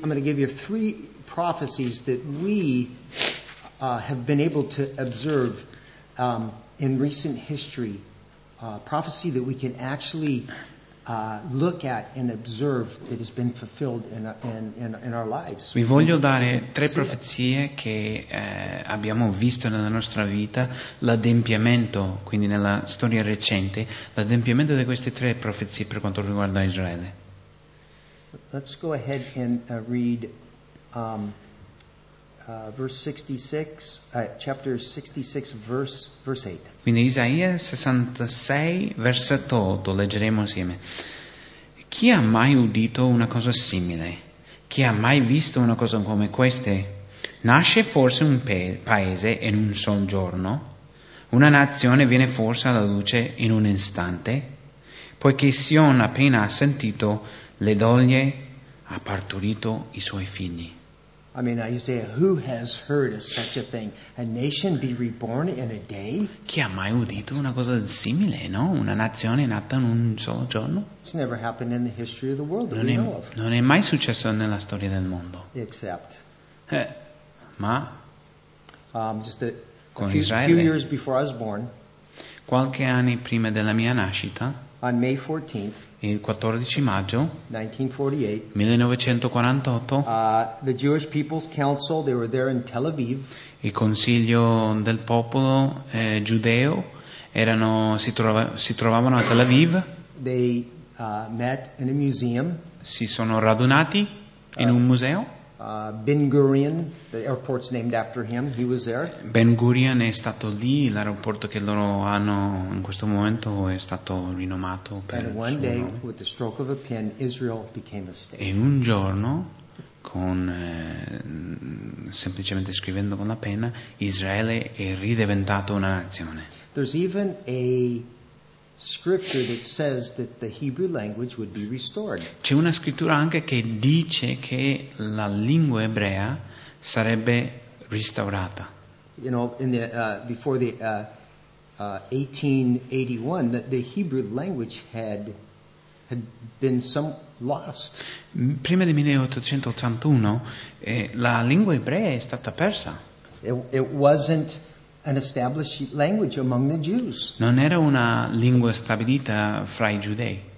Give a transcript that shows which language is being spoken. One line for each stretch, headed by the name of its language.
English: I'm going to give you three prophecies that we have been able to observe in recent history. Prophecy that we can actually look at and observe that has been fulfilled in our lives.
Italian: Vi voglio dare tre profezie che abbiamo visto nella nostra vita, l'adempimento, quindi nella storia recente, l'adempimento di queste tre profezie per quanto riguarda Israele.
English: Let's go ahead and read verse 66, chapter 66, verse 8.
Italian: Quindi Isaia 66, versetto 8, leggeremo insieme. Chi ha mai udito una cosa simile? Chi ha mai visto una cosa come queste? Nasce forse un paese in un sol giorno? Una nazione viene forse alla luce in un istante? Poiché Sion appena ha sentito le doglie, ha partorito I suoi figli.
English: I mean, Isaiah, who has heard of such a thing? A nation be reborn in a day?
Italian: Chi ha mai udito una cosa simile, no? Una nazione nata in un solo giorno?
English: It's never happened in the history of the world that we know of.
Italian: Non è mai successo nella storia del mondo.
English: Except.
Italian: Ma?
English: Just a few years before I was born.
Italian: Qualche anni prima della mia nascita.
English: On May 14th.
Italian: Il 14 maggio
English: 1948, the Jewish People's Council, they were there in Tel Aviv.
Italian: Il consiglio del popolo giudeo si trovavano a Tel Aviv.
English: They met in a museum.
Italian: Si sono radunati in un museo.
English: Ben Gurion, the airport's named after him, he was there.
Italian: Ben Gurion è stato lì, l'aeroporto che loro hanno in questo momento è stato rinomato per
English: And
Italian: il
English: one
Italian: suo
English: day,
Italian: nome.
English: With the stroke of a pen, Israel became a state.
Italian: E un giorno, con semplicemente scrivendo con la penna, Israele è ridiventato una nazione.
English: There's even a scripture that says that the Hebrew language would be restored.
Italian: C'è una scrittura anche che dice che la lingua ebrea sarebbe restaurata.
English: You know, in the before the 1881, the Hebrew language had been some lost.
Italian: Prima del 1881, la lingua ebrea è stata persa.
English: It wasn't an established language among the Jews.
Italian: Non era una lingua stabilita fra I giudei.